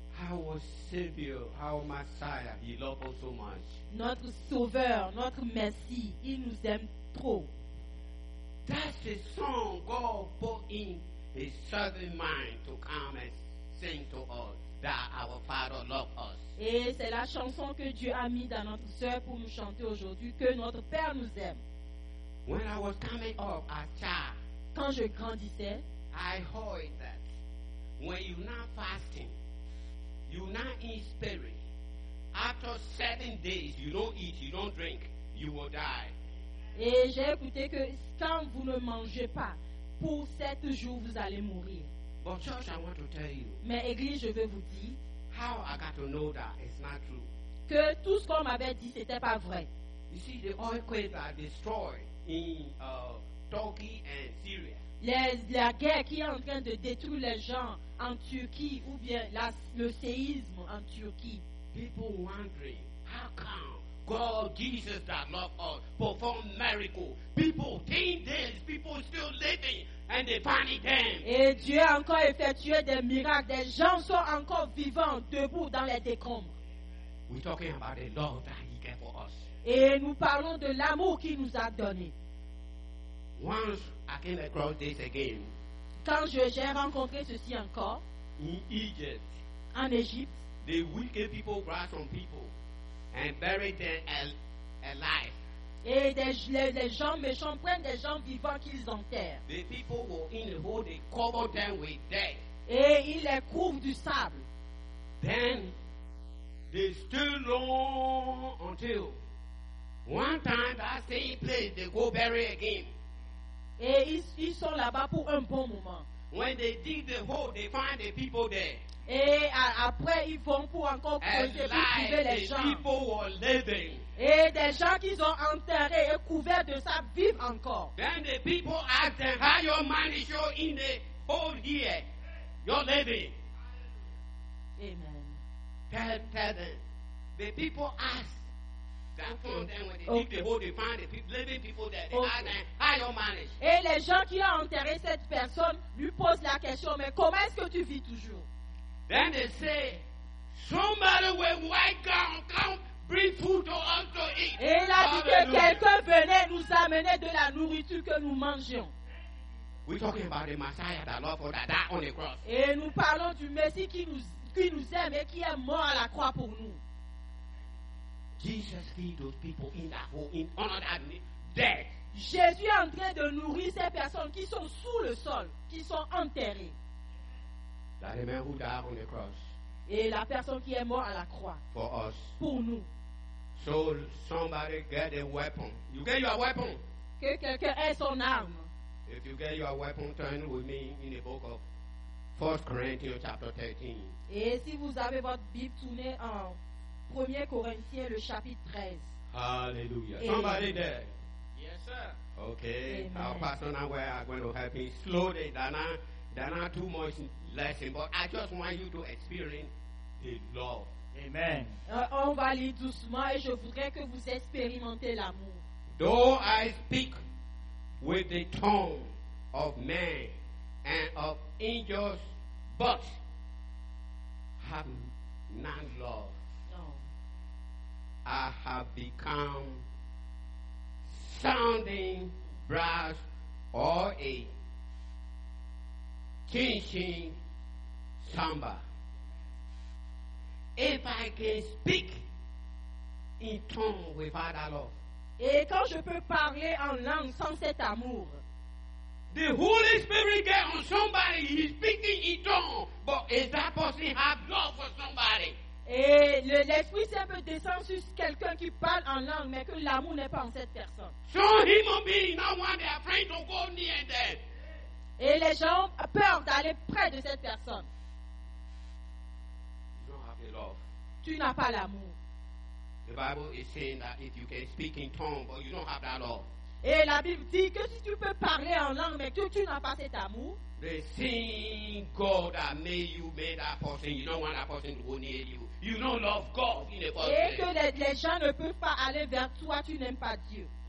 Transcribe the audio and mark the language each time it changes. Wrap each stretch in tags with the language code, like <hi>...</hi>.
<en>Our Savior, our Messiah, He loves us so much.</en> <fr>Notre Sauveur, notre Merci, il nous aime trop.</fr> <en>That's the song God put in His servant mind to come and sing to us that our Father loves us.</en> <fr>Et c'est la chanson que Dieu a mis dans notre cœur pour nous chanter aujourd'hui que notre Père nous aime.</fr> <en>When I was coming up as child,</en> <fr>quand je grandissais,</fr> <en>I heard that when you not fasting, you not in spirit, after 7 days you don't eat, you don't drink, you will die.</en> <fr>Et j'ai écouté que quand vous ne mangez pas, pour 7 jours vous allez mourir.</fr> <en>But church, I want to tell you.</en> <fr>Mais église, je veux vous dire.</fr> <en>How I got to know that it's not true?</en> <fr>Que tout ce qu'on m'avait dit, c'était pas vrai.</fr> <en>You see, the earthquake that destroyed in Turkey and Syria.</en> <fr>La guerre qui est en train de détruire les gens en Turquie ou bien le séisme en Turquie.</fr> <en>People wondering, how come God, Jesus, that loved us, performed miracles? People, 10 days, people still living. And they panic them.</en> <fr>Et Dieu a encore effectué des miracles. Des gens sont encore vivants, debout dans les décombres.</fr> <en>We're talking about the love that He gave for us.</en> <fr>Et nous parlons de l'amour qu'il nous a donné.</fr> <en>Once I came across this again.</en> <fr>Quand j'ai rencontré ceci encore.</fr> <en>In Egypt.</en> <fr>En Égypte.</fr> <en>The wicked people grabbed some people and buried them alive.</en> <fr>Et les gens méchants prennent des gens vivants qu'ils enterrent.</fr> <en>The people who in the hole, they cover them with dirt.</en> <fr>Et ils les couvrent du sable.</fr> <en>Then they stood long until one time that same place they go bury again.</en> <fr>Et ils sont là-bas pour un bon moment.</fr> <en>When they dig the hole, they find the people there.</en> <fr>Et après ils vont pour encore creuser pour trouver les gens.</fr> <en>The people were living.</en> <fr>Et des gens qu'ils ont enterrés et couverts de ça vivent encore.</fr> <en>Then the people ask them, how your money show in the hole here? You're living. Amen. Tell them. The people ask. That okay. Told them when they dig the hole, they find the living people there. They ask them, how your money?</en> <fr>Et les gens qui ont enterré cette personne lui posent la question, mais comment est-ce que tu vis toujours?</fr> <en>Then they say, somebody with white gown come. Bring food to us to eat.</en> <fr>Et il a dit que quelqu'un venait nous amener de la nourriture que nous mangeons.</fr> <en>We're talking about the Messiah that loved us, that died on the cross.</en> <fr>Et nous parlons du Messie qui nous aime et qui est mort à la croix pour nous.</fr> <en>Jesus feed those people in that hole, in under that dead.</en> <fr>Jésus est en train de nourrir ces personnes qui sont sous le sol, qui sont enterrées.</fr> <en>That the man who died on the cross.</en> <fr>Et la personne qui est mort à la croix.</fr> <en>For us.</en> <fr>Pour nous.</fr> <en>So somebody get a weapon. You get your weapon.</en> <fr>Que quelqu'un ait son arme.</fr> <en>If you get your weapon, turn with me in the book of 1 Corinthians chapter 13.</en> <fr>Et si vous avez votre Bible, tournez en 1 Corinthiens le chapitre 13.</fr> <en>Hallelujah. Et somebody there. Yes, sir. Okay. Amen. Our pastor now we are going to help you slowly. Dana, too much. Lesson, but I just want you to experience the love. Amen.</en> <fr>On va lire doucement et je voudrais que vous expérimentez l'amour.</fr> <en>Though I speak with the tongue of men and of angels, but have not love, I have become sounding brass or a chinching samba. If I can speak in tongue without that love,</en> <fr>et quand je peux parler en langue sans cet amour,</fr> <en>the Holy Spirit get on somebody, he's speaking in tongue, but is that person have love for somebody?</en> <fr>Et l'Esprit Saint peut descendre sur quelqu'un qui parle en langue, mais que l'amour n'est pas en cette personne.</fr> <en>Some human beings not want their friend to go near them.</en> <fr>Et les gens ont peur d'aller près de cette personne.</fr> <en>Love.</en> <fr>Tu n'as pas l'amour.</fr> <en>The Bible is saying that if you can speak in tongues, but you don't have that love.</en> <fr>Et la Bible dit que si tu peux parler en langue, mais que tu n'as pas cet amour.</fr> <en>The same God that made you made that person. You don't want that person to go near you. You don't love God in the first place.</en> <fr>Et que les gens ne peuvent pas aller vers toi. Tu n'aimes pas Dieu.</fr>